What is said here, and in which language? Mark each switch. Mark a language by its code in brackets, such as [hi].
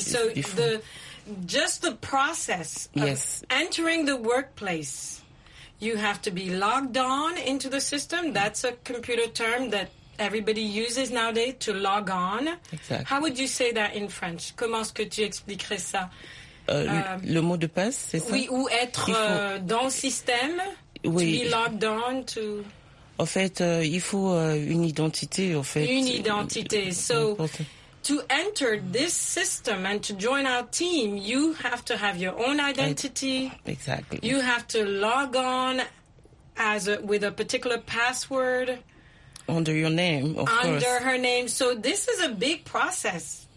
[en] So the process of entering the workplace, you have to be logged on into the system. That's a computer term that everybody uses nowadays, to log on. Exactly. How would you say that in French? [fr] Comment est-ce que tu expliquerais ça? Le mot de passe, c'est ça? Oui, ou être dans le système, oui. [en] To be logged on to... [fr] En fait, il faut une identité, en fait. Une identité. [en] So, to enter this system and to join our team, you have to have your own identity. Exactly. You have to log on as with a particular password. Under your name, of course. Under her name. So this is a big process.